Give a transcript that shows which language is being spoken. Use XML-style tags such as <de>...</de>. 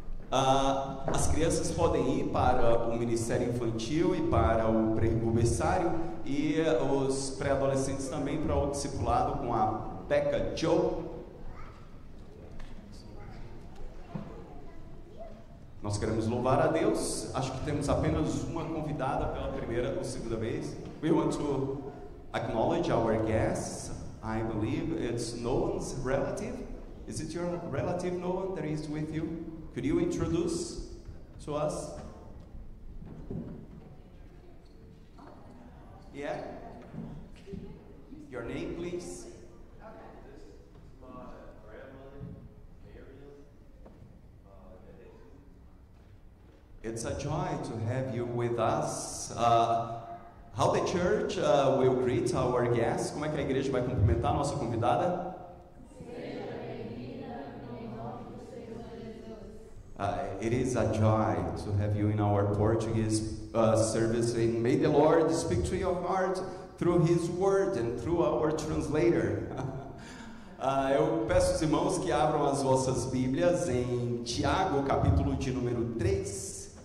<pt>As crianças podem ir para o Ministério Infantil e para o pré-berçário e os pré-adolescentes também para o discipulado com a Becca Joe. Nós queremos louvar a Deus. Acho que temos apenas uma convidada pela primeira ou segunda vez.</pt> <en>We want to acknowledge our guests. I believe it's Noan's relative. Is it your relative, Noan, that is with you? Could you introduce to us? Yeah? Your name, please. It's a joy to have you with us. How the church will greet our guests?</en> <pt>Como é que a igreja vai cumprimentar a nossa convidada?</pt> <en>It is a joy to have you in our Portuguese service, and may the Lord speak to your heart through His Word and through our translator.</en> <pt>Eu peço aos irmãos que abram as vossas Bíblias em Tiago, capítulo de número 3.</pt>